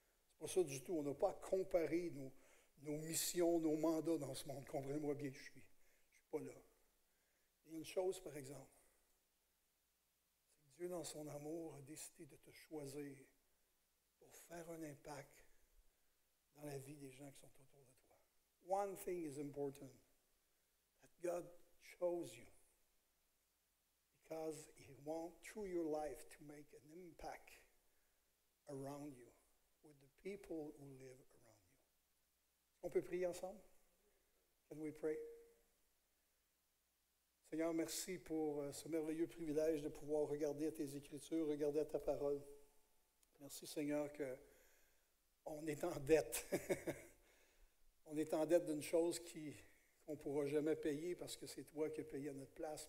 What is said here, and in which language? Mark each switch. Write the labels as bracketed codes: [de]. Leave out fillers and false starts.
[fr] C'est pas ça du tout. On n'a pas à comparer nos missions, nos mandats dans ce monde. Comprenez-moi bien, je suis pas là. Et une chose, par exemple, c'est que Dieu, dans son amour, a décidé de te choisir faire un impact dans la vie des gens qui sont autour de toi. [en] One thing is important, that God chose you because he wants through your life to make an impact around you with the people who live around you. [fr] On peut prier ensemble? [en] Can we pray? [fr] Seigneur, merci pour ce merveilleux privilège de pouvoir regarder à tes écritures, regarder à ta parole. Merci, Seigneur, que on est en dette. On est en dette d'une chose qu'on ne pourra jamais payer parce que c'est toi qui as payé à notre place.